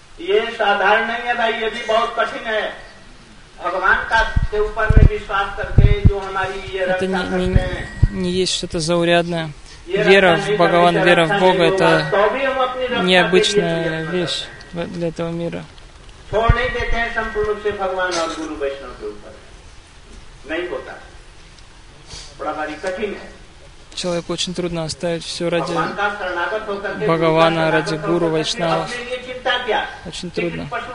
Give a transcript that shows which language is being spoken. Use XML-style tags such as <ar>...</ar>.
<hi>ये साधारण नहीं है भाई, ये भी बहुत कठिन है. भगवान का के ऊपर में विश्वास करके जो हमारी ये रक्षा करते हैं.</hi> <ru>Не есть что-то заурядное. Вера в Бхагаван, вера в Бога — это необычная вещь для этого мира.</ru> <hi>छोड़ नहीं देते हैं संपूर्ण से भगवान और गुरु वैष्णव के ऊपर. नहीं होता. बड़ा भारी कठिन है.</hi> <ru>Человеку очень трудно оставить все ради Бхагавана, ради Гуру Вайшнава. Очень трудно.</ru>